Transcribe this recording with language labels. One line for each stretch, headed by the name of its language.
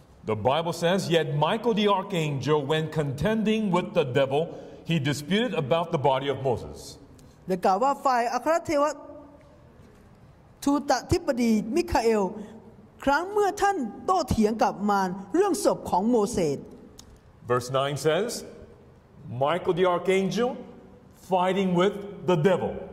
English: The Bible says yet Michael the archangel when contending with the devilHe disputed about the body of Moses.
Thai: เกี่ยวกับฝ่ายอัครเทวทูตทิปดีมิคาเอลครั้งเมื่อท่านโต้เถียงกับมารเรื่องศพของโมเสส
English: Verse 9 says, Michael the archangel fighting with the devil.